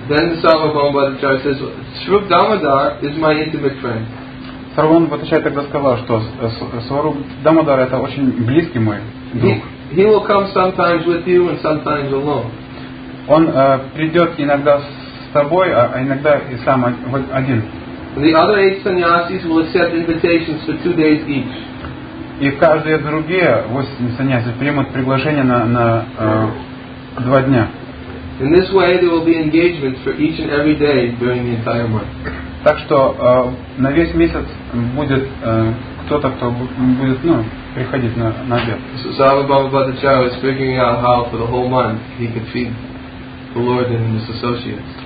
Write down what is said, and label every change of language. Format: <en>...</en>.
<en>Then Sarvabhauma Bhattacharya says, Swarup Damodar is my intimate friend.</en> <ru>Сарвабхаума Бхаттачарья тогда сказал, что Swarup Damodar это очень близкий мой друг.</ru> <en>He will come sometimes with you and sometimes alone.</en> <ru>Он придет иногда с тобой, а иногда и сам один.</ru> <en>The other 8 sannyasis will accept invitations for 2 days each.</en> <ru>И каждые другие 8 саньяси примут приглашение на 2 дня.</ru> <en>In this way there will be engagements for each and every day during the entire month.</en> <ru>Так что на весь месяц будет кто-то, кто будет приходить на обед.</ru> <en>So Sarvabhauma Bhattacharya was figuring out how for the whole month he could feed the Lord and his associates.</en>